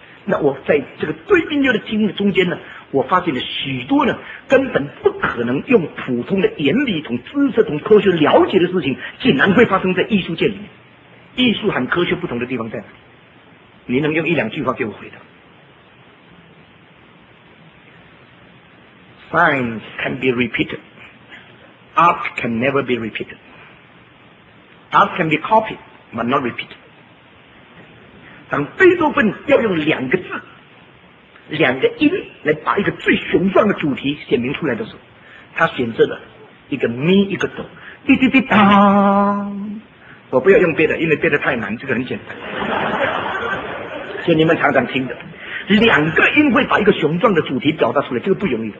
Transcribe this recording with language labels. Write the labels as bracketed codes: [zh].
[zh] 那我在这个对病药的经历中间呢，我发现了许多呢根本不可能用普通的眼里同知识同科学了解的事情，竟然会发生在艺术界里面。艺术和科学不同的地方在哪里？你能用一两句话给我回答？ [en] Science can be repeated. Art can never be repeated. Art can be copied but not repeated. [zh] 当贝多芬要用两个字两个音来把一个最雄壮的主题显明出来的时候，他选择了一个咪一个哆，滴滴滴答。我不要用别的，因为别的太难，这个很简单，就你们常常听的两个音会把一个雄壮的主题表达出来，这个不容易的。